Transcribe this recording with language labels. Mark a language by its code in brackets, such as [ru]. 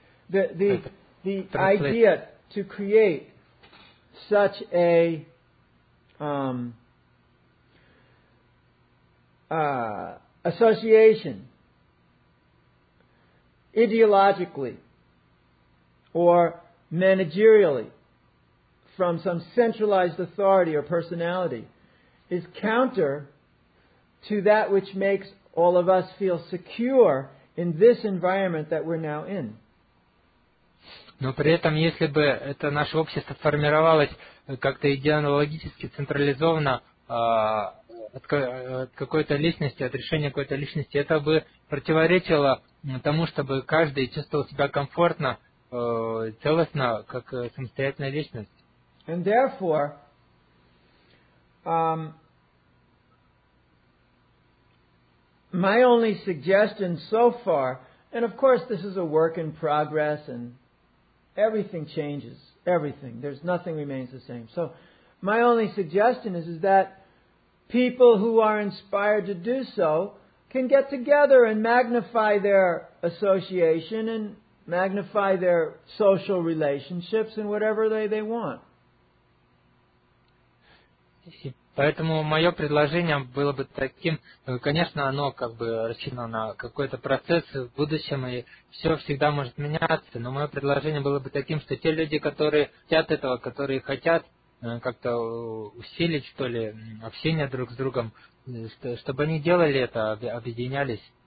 [en] The idea to create such a association ideologically or managerially from some centralized authority or personality is counter to that which makes all of us feel secure in this environment that we're now in. [ru] Но при этом, если бы это наше общество формировалось как-то идеологически централизованно от какой-то личности, от решения какой-то личности, это бы противоречило тому, чтобы каждый чувствовал себя комфортно, целостно, как самостоятельная личность. [en] And therefore, my only suggestion so far, and of course this is a work in progress and everything changes, everything. There's nothing remains the same. So my only suggestion is that people who are inspired to do so can get together and magnify their association and magnify their social relationships and whatever they want. [ru] Поэтому мое предложение было бы таким, конечно, оно как бы рассчитано на какой-то процесс в будущем, и все всегда может меняться, но мое предложение было бы таким, что те люди, которые хотят этого, которые хотят как-то усилить, что ли, общение друг с другом, чтобы они делали это, объединялись.